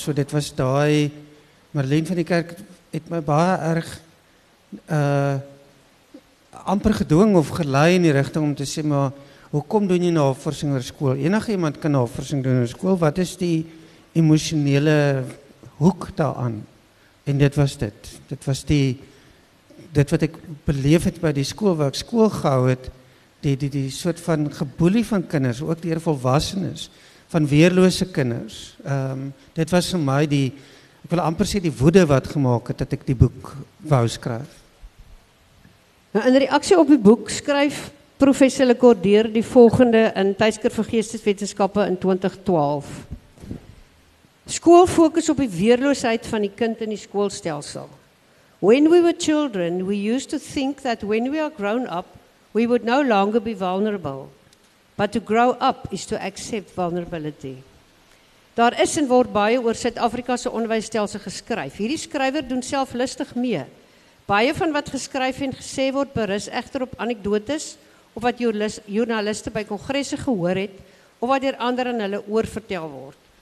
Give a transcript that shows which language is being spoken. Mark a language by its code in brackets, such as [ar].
[af] So dit was daai Marleen van die kerk het my baie erg amper gedwing of gelei in die rigting om te sê, maar hoekom doen jy navorsing oor skool? Enige iemand kan navorsing doen oor skool. Wat is die emosionele hoek daaraan? En dit was dit. Dit was dit wat ek beleef het by die skool waar ek skool gehou het. Die soort van geboelie van kinders, ook deur volwassenes, van weerlose kinders. Dit was vir my die, ek wil amper sê die woede wat gemaak het dat ek die boek wou skryf. Nou, in reaksie op die boek skryf professor Lekordeur die volgende in Tydskrif vir Geesteswetenskappe in 2012. Skool fokus op die weerloosheid van die kind in die skoolstelsel. [en] When we were children, we used to think that when we are grown up, we would no longer be vulnerable, but to grow up is to accept vulnerability. [af] Daar is en word baie oor Suid-Afrika se onderwysstelsel geskryf. Hierdie skrywer doen self lustig mee. Baie van wat geskryf en gesê word berus egter op anekdotes of wat joernaliste by kongresse gehoor het of wat deur ander aan hulle oorvertel word.